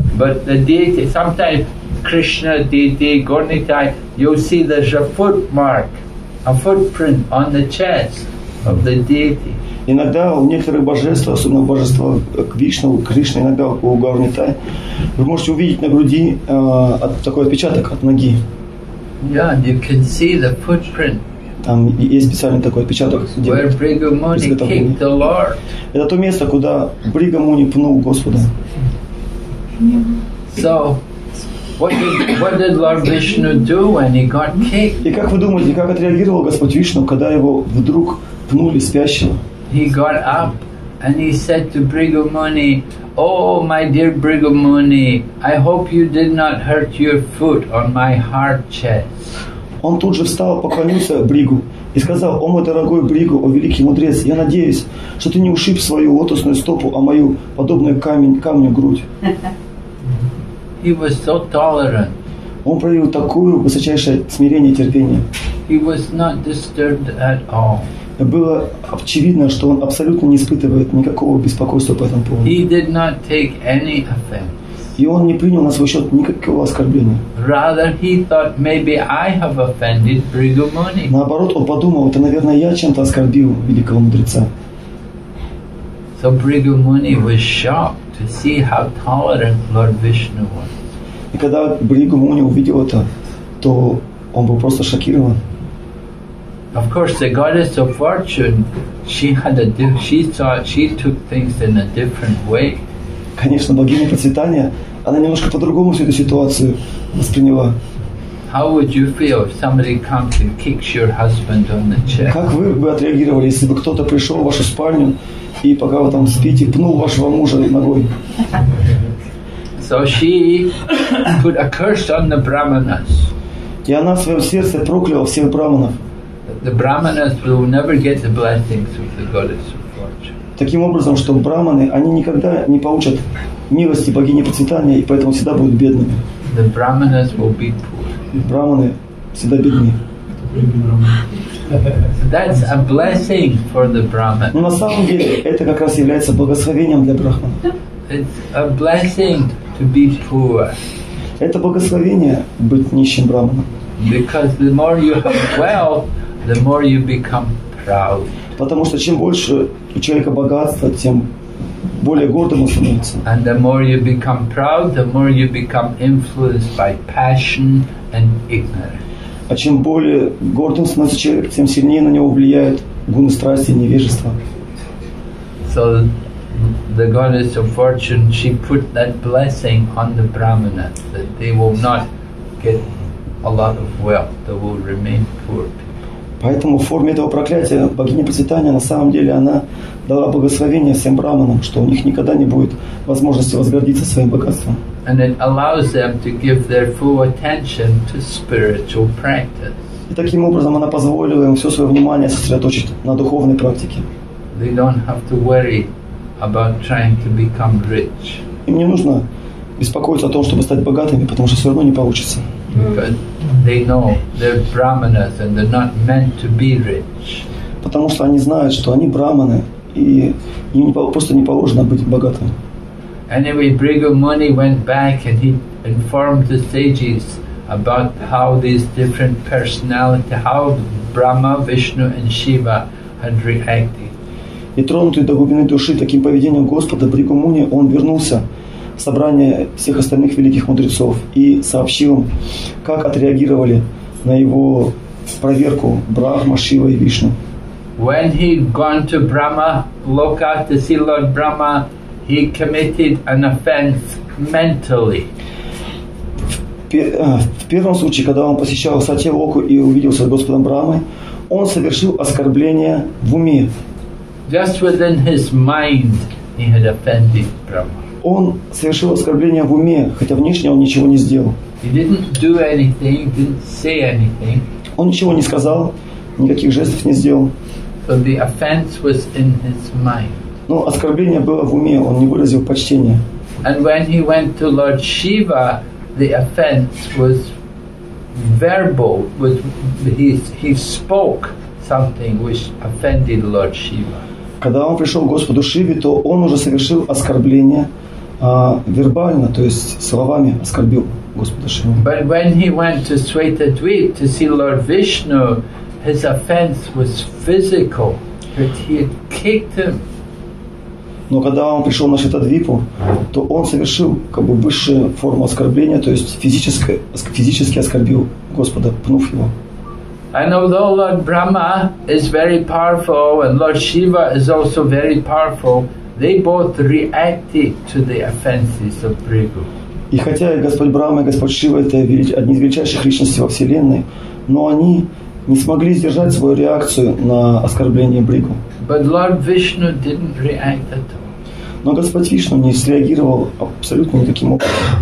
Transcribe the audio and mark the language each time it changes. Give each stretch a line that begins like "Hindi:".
English: But the deity, sometimes Krishna deity, Gornika, you'll see there's a footmark, a footprint on the chest of the deity.
Russian: Иногда у некоторых божеств, особенно божества Вишну, Кришны, иногда у Гаурнитай, вы можете увидеть на груди такой отпечаток от ноги.
English: Yeah, you can see the footprint.
Russian: Там есть специальный такой отпечаток.
English: Where Bhrigu Muni kicked the Lord.
Russian: Это то место, куда Бригу Муни пнул Господа.
English: So, what did Lord Vishnu do when he got kicked?
Russian: И как вы думаете, как отреагировал Господь Вишну, когда его вдруг пнули спящего?
English: He got up and he said to Bhrigu Muni, "Oh, my dear Bhrigu Muni, I hope you did not hurt your foot on my hard chest."
Russian: Он тут же встал, поклонился Бригу и сказал: "О, мой дорогой Бригу, о великий мудрец, я надеюсь, что ты не ушиб свою лотосную стопу, а мою подобную камню грудь."
English: He was so tolerant.
Russian: Он проявил такое высочайшее смирение и терпение.
English: He was not disturbed at all.
Russian: было очевидно, что он абсолютно не испытывает никакого беспокойства по этому поводу.
English: He did not take any offense.
Russian: И он не принял на свой счет никакого оскорбления.
English: Rather, he thought, maybe I have offended Bhrigu Muni.
Russian: Наоборот, он подумал, это, наверное, я чем-то оскорбил великого мудреца.
English: So Bhrigu Muni was shocked to see how tolerant Lord Vishnu was.
Russian: И когда Бригу Муни увидел это, то он был просто шокирован.
English: Of course, the goddess of fortune, she took things in a different way.
Russian: Конечно, богиня процветания, она немножко по-другому всю эту ситуацию восприняла.
English: How would you feel if somebody comes and kicks your husband on the chest?
Russian: Как вы бы отреагировали, если бы кто-то пришел в вашу спальню и пока вы там спите, пнул вашего мужа ногой?
English: So she put a curse on the brahmanas.
Russian: И она в своем сердце прокляла всех брахманов.
English: The brahmanas will never get the blessings of the goddess of fortune.
Russian: Таким образом, что брахманы, они никогда не получат милости богини процветания и поэтому всегда будут бедными.
English: The brahmanas will be poor.
Russian: Брахманы всегда бедны.
English: That's a blessing for the brahman.
Russian: Но на самом деле это как раз является благословением для брахмана.
English: It's a blessing to be poor.
Russian: Это благословение быть нищим брахманом.
English: Because the more you have wealth, the more you become proud.
Russian: Потому что чем больше у человека богатства, тем более гордым он становится.
English: And the more you become proud, the more you become influenced by passion and ignorance.
Russian: А чем более гордым становится человек, тем сильнее на него влияет гуны страсти и невежество.
English: So the goddess of fortune, she put that blessing on the brahmanas that they will not get a lot of wealth, they will remain poor people.
Russian: Поэтому в форме этого проклятия богиня процветания на самом деле она дала благословение всем брахманам, что у них никогда не будет возможности возгордиться своим богатством.
English: And it allows them to give their full attention to spiritual practice.
Russian: И таким образом она позволила им все свое внимание сосредоточить на духовной практике.
English: They don't have to worry about trying to become rich.
Russian: Им не нужно беспокоиться о том, чтобы стать богатыми, потому что все равно не получится.
English: Because they know they're brahmanas and they're not meant to be rich.
Russian: Потому что они знают, что они брахманы, и им просто не положено быть богатыми.
English: Anyway, Bhrigu Muni went back and he informed the sages about how these different personalities, how Brahma, Vishnu and Shiva had reacted.
Russian: И тронутый до глубины души таким поведением Господа, Бригу Муни, он вернулся в собрание всех остальных великих мудрецов и сообщил им, как отреагировали на его проверку Брахма, Шива и Вишну.
English: When he'd gone to Brahma Loka to see Lord Brahma, he committed an offense mentally.
Russian: В первом случае, когда он посещал Сатья-Локу и увиделся с Господом Брахмой, он совершил оскорбление в уме.
English: Just within his mind, he had offended Brahma.
Russian: Он совершил оскорбление в уме, хотя внешне он ничего не сделал.
English: He didn't do anything, didn't say anything.
Russian: Он ничего не сказал, никаких жестов не сделал.
English: So the offense was in his mind.
Russian: Но оскорбление было в уме, он не выразил почтения.
English: And when he went to Lord Shiva, the offense was verbal. He spoke something which offended Lord Shiva.
Russian: Когда он пришел к Господу Шиве, то он уже совершил оскорбление вербально, то есть словами оскорбил Господа Шиву.
English: But when he went to Svetadvip to see Lord Vishnu, his offense was physical, that he had kicked him.
Russian: Но когда он пришел на Шетадвипу, то он совершил как бы высшую форму оскорбления, то есть физически оскорбил Господа, пнув его.
English: And although Lord Brahma is very powerful and Lord Shiva is also very powerful, they both reacted to the offenses of Bhrigu.
Russian: И хотя Господь Брахма и Господь Шива это одни из величайших личностей во Вселенной, но они не смогли сдержать свою реакцию на оскорбление Бригу.
English: But Lord Vishnu didn't react at all.
Russian: Но Господь Вишну не среагировал абсолютно никаким образом.